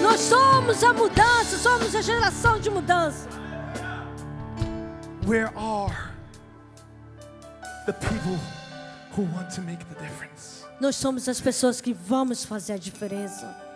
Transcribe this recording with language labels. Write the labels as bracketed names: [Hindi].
[Portuguese] Nós somos a mudança, somos a geração de mudança. [English] Where are the people who want to make the difference? [Portuguese] Nós somos as pessoas que vamos fazer a diferença.